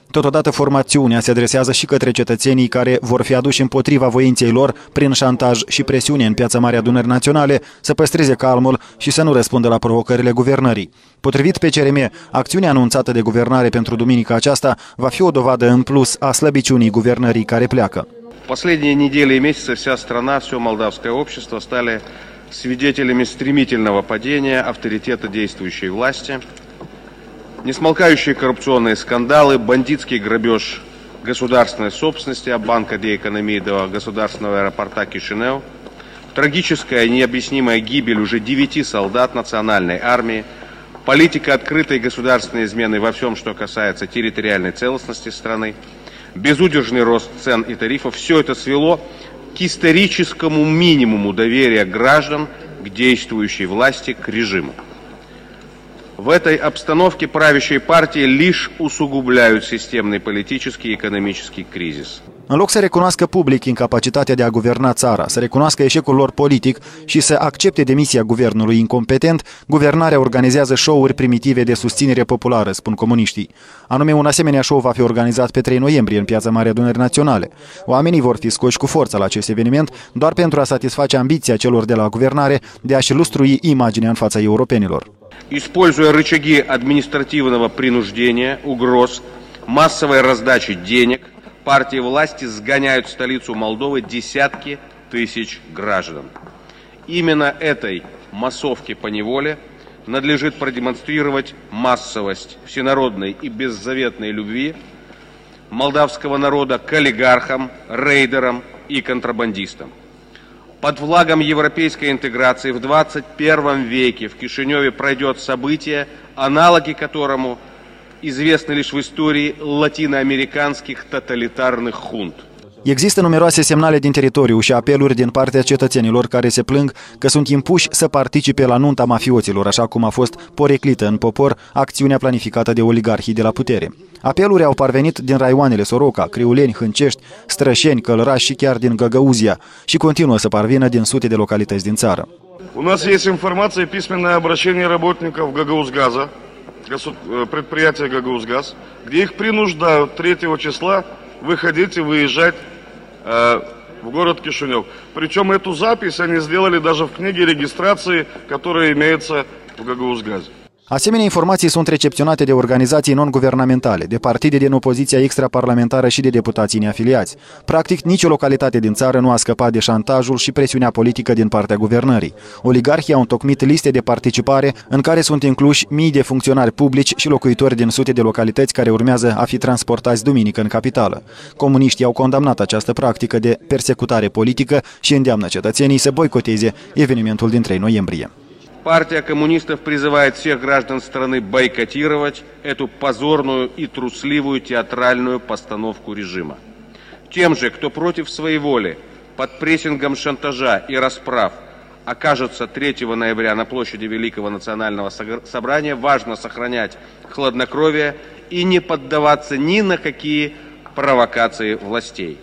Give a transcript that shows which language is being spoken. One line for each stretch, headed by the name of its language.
Romanian: Totodată, formațiunea se adresează și către cetățenii care vor fi aduși împotriva voinței lor, prin șantaj și presiune în Piața Marea Dunării Naționale, să păstreze calmul și să nu răspundă la provocările guvernării. Potrivit PCRM, acțiunea anunțată de guvernare pentru duminica aceasta va fi o dovadă în plus a slăbiciunii guvernării care pleacă.
Russian: Последние недели и месяцы вся страна, все молдавское общество стали свидетелями стремительного падения авторитета действующей власти. Несмолкающие коррупционные скандалы, бандитский грабеж государственной собственности от банка для экономии до государственного аэропорта Кишинев, трагическая необъяснимая гибель уже 9 солдат национальной армии, политика открытой государственной измены во всем, что касается территориальной целостности страны, безудержный рост цен и тарифов, все это свело к историческому минимуму доверия граждан к действующей власти, к режиму. В этой обстановке правящие партии лишь усугубляют системный политический и экономический кризис.
Romanian: În loc să recunoască public incapacitatea de a guverna țara, să recunoască eșecul lor politic și să accepte demisia guvernului incompetent, guvernarea organizează show-uri primitive de susținere populară, spun comuniștii. Anume, un asemenea show va fi organizat pe 3 noiembrie în Piața Marea Dunării Naționale. Oamenii vor fi scoși cu forță la acest eveniment doar pentru a satisface ambiția celor de la guvernare de a-și lustrui imaginea în fața europenilor.
Russian: Используя рычаги административного принуждения, угроз, массовой раздачи денег, партии власти сгоняют в столицу Молдовы десятки тысяч граждан. Именно этой массовке по неволе надлежит продемонстрировать массовость всенародной и беззаветной любви молдавского народа к олигархам, рейдерам и контрабандистам. Под флагом европейской интеграции в 21 веке в Кишиневе пройдет событие, аналоги которому известны лишь в истории латиноамериканских тоталитарных хунт.
Romanian: Există numeroase semnale din teritoriu și apeluri din partea cetățenilor care se plâng că sunt impuși să participe la nunta mafioților, așa cum a fost poreclită în popor acțiunea planificată de oligarhii de la putere. Apeluri au parvenit din raioanele Soroca, Criuleni, Hâncești, Strășeni, Călăraș și chiar din Găgăuzia și continuă să parvină din sute de localități din țară.
Russian: У нас есть информация письменное обращение работников Гагаузгаза, предприятия Гагаузгаз, где их принуждают 3 числа выходить и выезжать в город Кишинев. Причем эту запись они сделали даже в книге регистрации, которая имеется в Гагаузгазе.
Romanian: Asemenea, informații sunt recepționate de organizații non-guvernamentale, de partide din opoziția extraparlamentară și de deputații neafiliați. Practic, nicio localitate din țară nu a scăpat de șantajul și presiunea politică din partea guvernării. Oligarhii au întocmit liste de participare în care sunt incluși mii de funcționari publici și locuitori din sute de localități care urmează a fi transportați duminică în capitală. Comuniștii au condamnat această practică de persecutare politică și îndeamnă cetățenii să boicoteze evenimentul din 3 noiembrie.
Russian: Партия коммунистов призывает всех граждан страны бойкотировать эту позорную и трусливую театральную постановку режима. Тем же, кто против своей воли, под прессингом шантажа и расправ, окажется 3 ноября на площади Великого национального собрания, важно сохранять хладнокровие и не поддаваться ни на какие провокации властей.